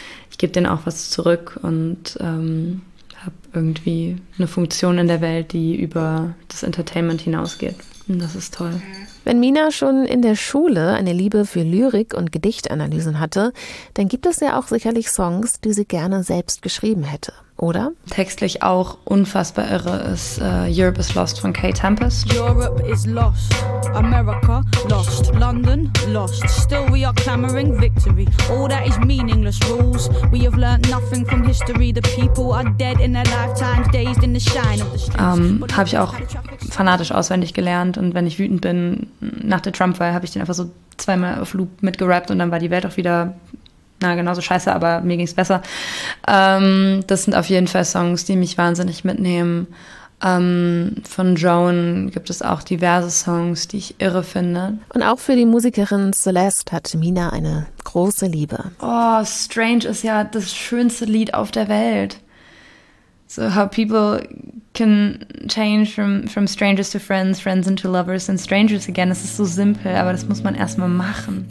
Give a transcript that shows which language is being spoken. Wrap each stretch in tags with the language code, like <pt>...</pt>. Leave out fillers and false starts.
<de>Ich gebe denen auch was zurück und habe irgendwie eine Funktion in der Welt, die über das Entertainment hinausgeht. Und das ist toll. Wenn Mina schon in der Schule eine Liebe für Lyrik und Gedichtanalysen hatte, dann gibt es ja auch sicherlich Songs, die sie gerne selbst geschrieben hätte, oder? Textlich auch unfassbar irre ist Europe is Lost von Kay Tempest.</de> <en>Europe is lost, America lost, London lost. Still we are clamoring victory, all that is meaningless rules. We have learned nothing from history, the people are dead in their lifetimes, dazed in the shine of the streets.</en> <de>Habe ich auch fanatisch auswendig gelernt und wenn ich wütend bin, nach der Trump-Wahl, habe ich den einfach so zweimal auf Loop mitgerappt und dann war die Welt auch wieder na, genauso scheiße, aber mir ging es besser. Das sind auf jeden Fall Songs, die mich wahnsinnig mitnehmen. Von Joan gibt es auch diverse Songs, die ich irre finde. Und auch für die Musikerin Celeste hat Mina eine große Liebe. Oh, Strange ist ja das schönste Lied auf der Welt.</de> <en>So how people can change from strangers to friends, friends into lovers and strangers again.</en> <de>Es ist so simpel, aber das muss man erstmal machen.</de>